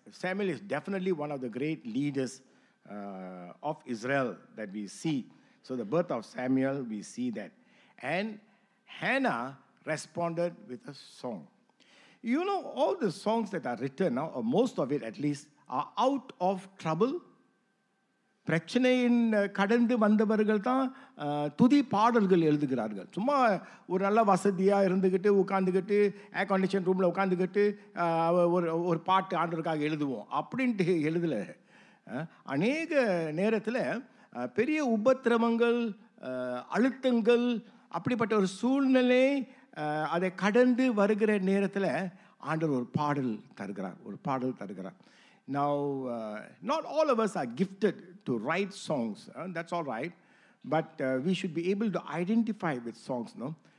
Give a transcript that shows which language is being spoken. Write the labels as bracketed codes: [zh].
[en] Samuel is definitely one of the great leaders of Israel that we see. So the birth of Samuel, we see that. And Hannah responded with a song. You know, all the songs that are written now, or most of it at least, are out of trouble. [ta] பிரச்சனையின் கடந்து வந்தவர்கள் தான் துதி பாடல்கள் எழுதுகிறார்கள். சும்மா ஒரு நல்ல வசதியாக இருந்துக்கிட்டு உட்காந்துக்கிட்டு ஏர் கண்டிஷன் ரூமில் உட்காந்துக்கிட்டு ஒரு பாட்டு ஆண்டவருக்காக எழுதுவோம் அப்படின்ட்டு எழுதலை. அநேக நேரத்தில் பெரிய உபத்திரவங்கள், அழுத்தங்கள், அப்படிப்பட்ட ஒரு சூழ்நிலை அதை கடந்து வருகிற நேரத்தில் ஆண்டவர் ஒரு பாடல் தருகிறார், ஒரு பாடல் தருகிறார். [en] Now, not all of us are gifted to write songs. That's all right. But we should be able to identify with songs, no?